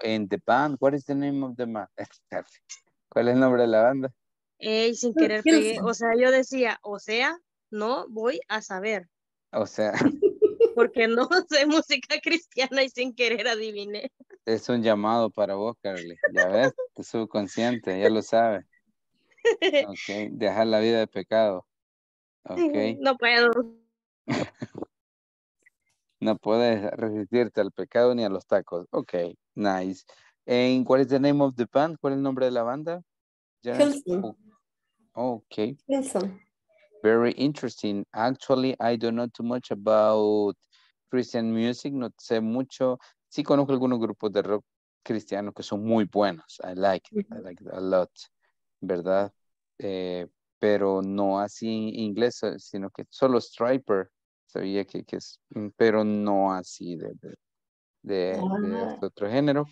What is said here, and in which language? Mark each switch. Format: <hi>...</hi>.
<en>And the band, what is the name of the band?</en> <es>¿Cuál es el nombre de la banda? Sin querer pegué. O sea, yo decía, o sea, no voy a saber. O sea. Porque no sé música cristiana y sin querer adiviné. Es un llamado para vos, Carly. Ya ves, tu subconsciente, ya lo sabe. Ok, dejar la vida de pecado. Ok. No puedo. No puedes resistirte al pecado ni a los tacos.</es> <en>Ok, nice. And what is the name of the band?</en> <es>¿Cuál es el nombre de la banda? Hilson.</es> <en>Ok. Very interesting. Actually, I don't know too much about Christian music.</en> <es>No sé mucho. Sí conozco algunos grupos de rock cristiano que son muy buenos.</es> <en>I like it. I like it a lot.</en> <es>¿Verdad? Pero no así en inglés, sino que solo Striper. Sabía que es, pero no así de este otro género.</es>